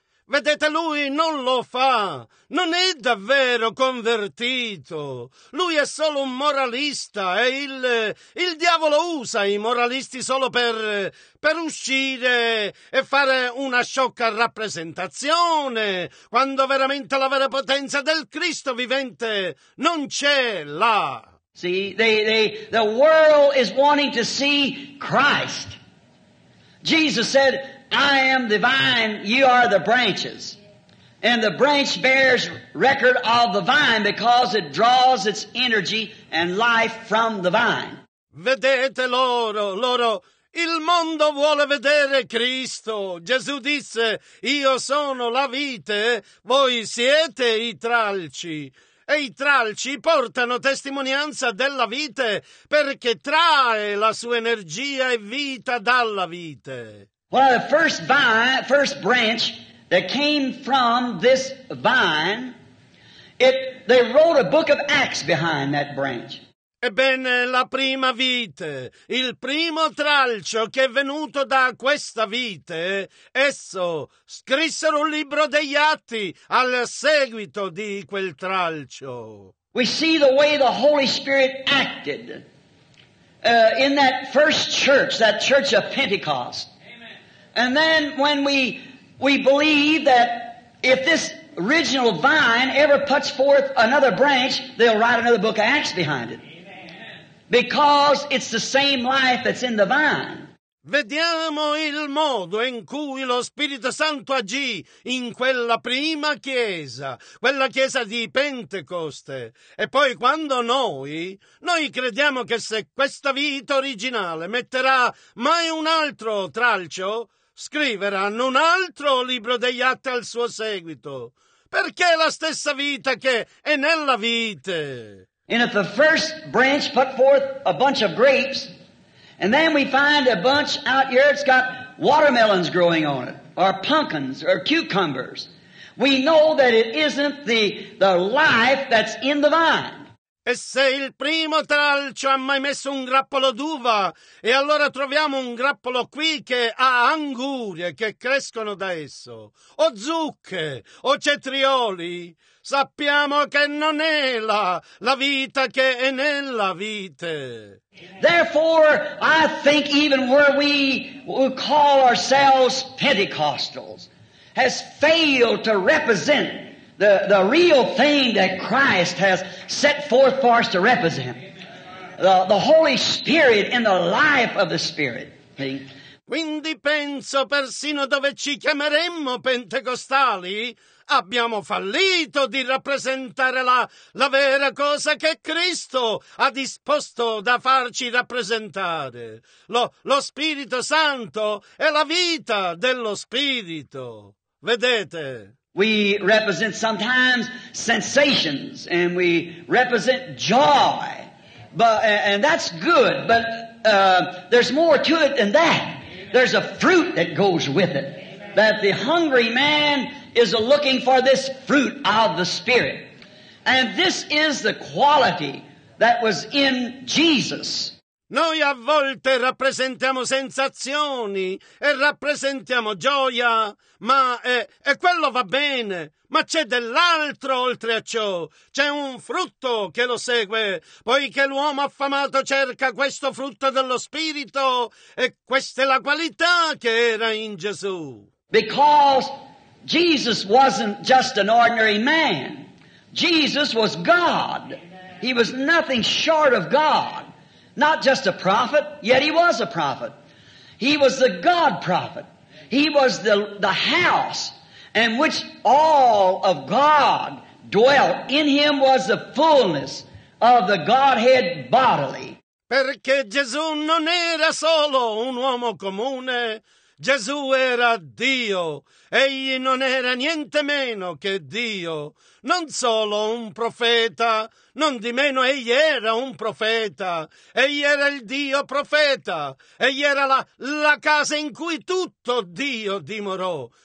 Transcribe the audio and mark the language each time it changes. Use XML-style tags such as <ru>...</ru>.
<it>Vedete, lui non lo fa, non è davvero convertito, lui è solo un moralista e il diavolo usa i moralisti solo per uscire e fare una sciocca rappresentazione, quando veramente la vera potenza del Cristo vivente non c'è là.</it> <en>See, the world is wanting to see Christ. Jesus said, I am the vine, you are the branches. And the branch bears record of the vine because it draws its energy and life from the vine.</en> <it>Vedete loro, Il mondo vuole vedere Cristo. Gesù disse: io sono la vite, voi siete i tralci. E i tralci portano testimonianza della vite perché trae la sua energia e vita dalla vite.</it> <en>Well, the first branch that came from this vine, they wrote a book of Acts behind that branch.</en> <it>Ebbene, la prima vite, il primo tralcio che è venuto da questa vite, esso scrissero un libro degli atti al seguito di quel tralcio.</it> <en>We see the way the Holy Spirit acted in that first church, that church of Pentecost. Amen. And then when we believe that if this original vine ever puts forth another branch, they'll write another book of Acts behind it. Because it's the same life that's in the vine.</en> <it>Vediamo il modo in cui lo Spirito Santo agì in quella prima chiesa, quella chiesa di Pentecoste. E poi quando noi crediamo che se questa vita originale metterà mai un altro tralcio, scriveranno un altro libro degli atti al suo seguito. Perché è la stessa vita che è nella vite.</it> <en>And if the first branch put forth a bunch of grapes, and then we find a bunch out here, it's got watermelons growing on it, or pumpkins, or cucumbers, we know that it isn't the life that's in the vine.</en> <it>E se il primo tralcio ha mai messo un grappolo d'uva, e allora troviamo un grappolo qui che ha angurie che crescono da esso, o zucche, o cetrioli, sappiamo che non è la vita che è nella vite.</it> <en>Therefore, I think even where we call ourselves Pentecostals has failed to represent the real thing that Christ has set forth for us to represent. The Holy Spirit and the life of the Spirit thing.</en> <it>Quindi penso persino dove ci chiameremmo pentecostali, abbiamo fallito di rappresentare la vera cosa che Cristo ha disposto da farci rappresentare. Lo Spirito Santo è la vita dello Spirito. Vedete?</it> <en>We represent sometimes sensations and we represent joy. And that's good, but there's more to it than that. There's a fruit that goes with it. That the hungry man is looking for this fruit of the Spirit. And this is the quality that was in Jesus.</en> <it>Noi a volte rappresentiamo sensazioni e rappresentiamo gioia, ma e quello va bene, ma c'è dell'altro oltre a ciò. C'è un frutto che lo segue, poiché l'uomo affamato cerca questo frutto dello Spirito e questa è la qualità che era in Gesù.</it> <en>Because Jesus wasn't just an ordinary man. Jesus was God. He was nothing short of God. Not just a prophet, yet he was a prophet. He was the God prophet. He was the house in which all of God dwelt. In him was the fullness of the Godhead bodily.</en> <it>Perché Gesù non era solo un uomo comune. Gesù era Dio. Egli non era niente meno che Dio. Non solo un profeta, non di meno egli era un profeta. Egli era il Dio profeta. Egli era la casa in cui tutto Dio dimorò.</it>